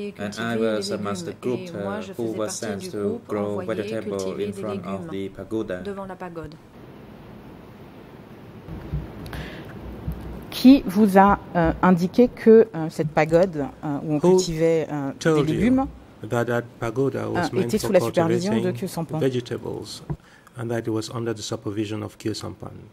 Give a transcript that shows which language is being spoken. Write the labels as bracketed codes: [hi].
[en] And I was amongst the group who was sent to grow vegetable in front of the pagoda. [fr] Qui vous a indiqué que cette pagode où on cultivait des légumes? [en] That pagoda was meant for cultivating vegetables, and that it was under the supervision of Kyo Sampan.